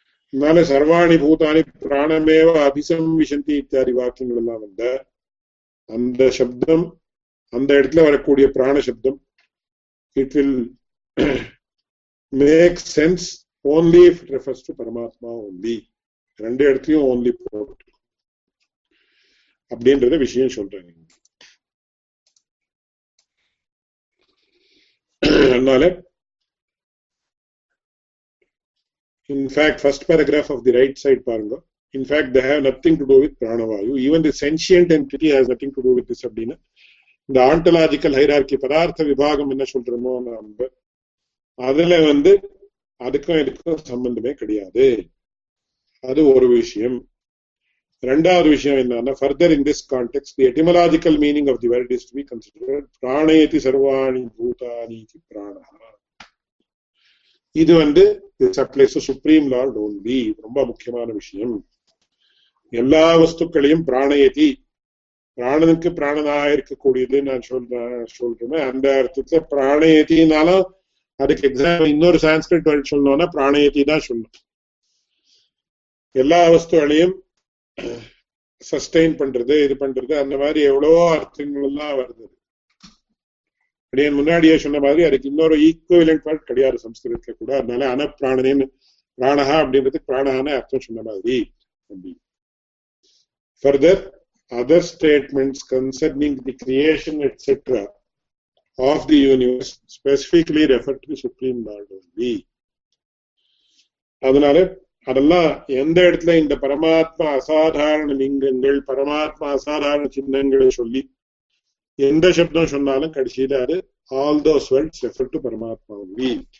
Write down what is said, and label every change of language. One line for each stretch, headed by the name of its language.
Tamil: அதனால
Sanskrit: சர்வாணி பூதானி பிராணமேவ அபிசம்விசந்தி
Tamil: இத்தியாதி வாக்கியங்கள் எல்லாம் வந்த அந்த சப்தம், அந்த இடத்துல வரக்கூடிய பிராண சப்தம்,
English: it will make sense only if it refers to Paramatma only.
Tamil: ரெண்டு இடத்தையும் only போட்டு அப்படின்றத விஷயம் சொல்றேன்.
English: அதனால in fact first paragraph of the right side
Tamil: பாருங்க,
English: in fact they have nothing to do with Pranavayu. Even the sentient entity has nothing to do with this Abdina.
Tamil: இந்த ஆண்டலாஜிக்கல் hierarchy பதார்த்த விபாகம் என்ன சொல்றோமோ நாம, அதுல வந்து அதுக்கும் இதுக்கும் சம்பந்தமே கிடையாது. அது ஒரு விஷயம். ரெண்டாவது விஷயம் என்னன்னா,
English: further in this context the etymological meaning of the word is to be considered
Sanskrit: பிராணயதி சர்வாணி பூதானி இதி பிராணஹ.
English: இது வந்து this applies to supreme lord only.
Tamil: ரொம்ப முக்கியமான விஷயம், எல்லா வஸ்துக்களையும் பிராணயதி, பிராணனுக்கு பிராணனாக இருக்கக்கூடியது நான் சொல்றேன் அந்த அர்த்தத்துல பிராணயத்தினாலும், அதுக்கு எக்ஸாம்பிள் இன்னொரு சான்ஸ்கிரிட் வேர்ட் சொல்லணும்னா பிராணயத்தி தான் சொல்லணும். எல்லா அவஸ்துகளையும் சஸ்டெயின் பண்றது இது பண்றது அந்த மாதிரி எவ்வளோ அர்த்தங்கள் எல்லாம் வருது. அப்படியே முன்னாடியே சொன்ன மாதிரி அதுக்கு இன்னொரு ஈக்குவலன்ட் வேர்ட் கிடையாது சம்ஸ்கிருதத்துல கூட. அதனால அன பிராணனே பிராணஹா அப்படின்றதுக்கு பிராணஹானே அர்த்தம் சொன்ன மாதிரி அப்படி.
English: Further other statements concerning the creation etc of the universe specifically refer to the supreme lord only.
Tamil: அதனால அதெல்லாம் எந்த இடத்துல இந்த பரமாத்மா அசாதாரண லிங்கங்கள் பரமாத்மா அசாதாரண சின்னங்களை சொல்லி எந்த சப்தம் சொன்னாலும் கடைசியிலாரு
English: all those words refer to Paramatma only.